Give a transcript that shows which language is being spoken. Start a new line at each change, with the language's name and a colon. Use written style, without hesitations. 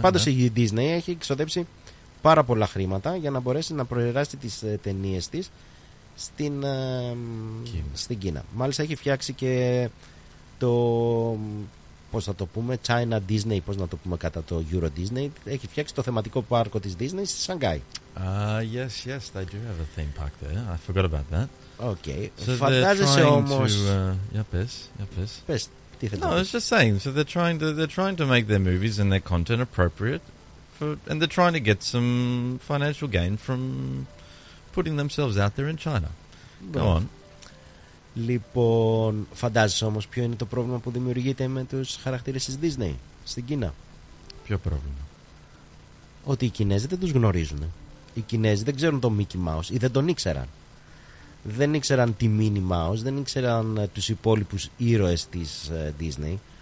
Greek: Πάντως η Disney έχει ξοδέψει πάρα πολλά χρήματα για να μπορέσει να προεράσει τις ταινίες της στην Κίνα. Στην Κίνα. Μάλιστα έχει φτιάξει και το... πώς θα το πούμε, China Disney, πώς να το πούμε κατά το Euro Disney, έχει φτιάξει το θεματικό πάρκο της Disney στη Σανγκάη.
English: Yes, yes, I do have a theme park there. I forgot about that.
Greek: Okay. So φαντάζεσαι όμως... Yeah, πες. Πες, τι θέλω.
English: No, it's just saying, so they're trying to make their movies and their content appropriate for, and they're trying to get some financial gain from putting themselves out there in China. Go on.
Greek: Λοιπόν, φαντάζεσαι όμως ποιο είναι το πρόβλημα που δημιουργείται με τους χαρακτήρες της Disney στην Κίνα? Ποιο πρόβλημα? Ότι οι Κινέζοι δεν τους γνωρίζουν. Οι Κινέζοι δεν ξέρουν τον Mickey Mouse ή δεν τον ήξεραν. Δεν ήξεραν τη Minnie Mouse, δεν ήξεραν τους υπόλοιπους ήρωες της Disney.